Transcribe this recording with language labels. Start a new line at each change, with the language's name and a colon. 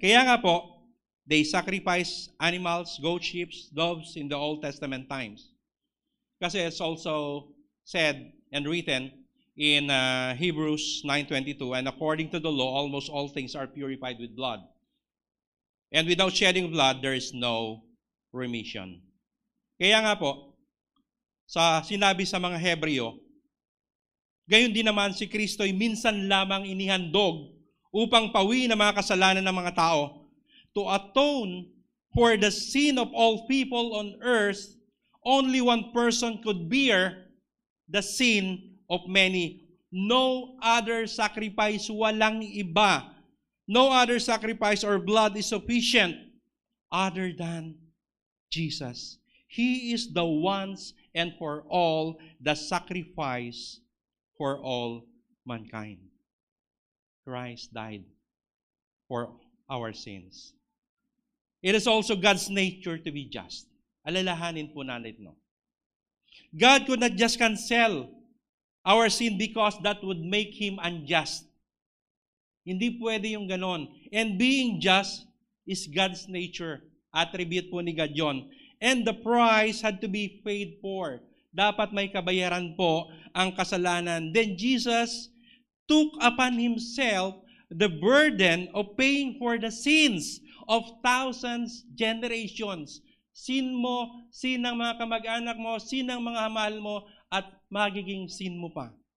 Filipino: Kaya nga po,
English: they sacrifice animals, goat, sheep, doves in the Old Testament times. Kasi it's also said and written in Hebrews 9:22, and according to the law, almost all things are purified with blood. And without shedding blood, there is no remission.
Filipino: Kaya nga po, sa sinabi sa mga Hebreo, gayon din naman si Kristo'y minsan lamang inihandog upang pawiin ang mga kasalanan ng mga tao
English: to atone for the sin of all people on earth. Only one person could bear the sin of many. No other sacrifice,
Filipino: walang iba.
English: No other sacrifice or blood is sufficient other than Jesus. He is the once and for all the sacrifice for all mankind. Christ died for our sins. It is also God's nature to be just.
Filipino: Alalahanin po natin, no?
English: God could not just cancel our sin because that would make Him unjust.
Filipino: Hindi pwede yung ganon.
English: And being just is God's nature. Attribute
Filipino: po ni God yon.
English: And the price had to be paid for.
Filipino: Dapat may kabayaran po ang kasalanan.
English: Then Jesus took upon Himself the burden of paying for the sins of thousands, generations.
Filipino: Sin mo, sin ng mga kamag-anak mo, sin ng mga mahal mo, at magiging sin mo pa.